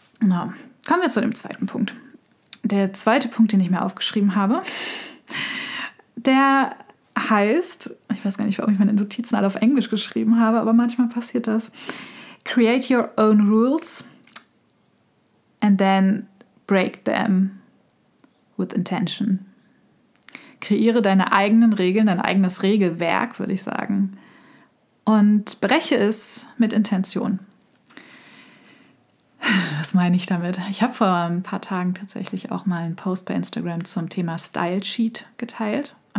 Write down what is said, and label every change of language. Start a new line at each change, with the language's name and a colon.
German: Na, kommen wir zu dem zweiten Punkt. Der zweite Punkt, den ich mir aufgeschrieben habe, der heißt, ich weiß gar nicht, warum ich meine Notizen alle auf Englisch geschrieben habe, aber manchmal passiert das.
English: Create your own rules and then break them with intention.
German: Kreiere deine eigenen Regeln, dein eigenes Regelwerk, würde ich sagen, und breche es mit Intention. Was meine ich damit? Ich habe vor ein paar Tagen tatsächlich auch mal einen Post bei Instagram zum Thema Style Sheet geteilt.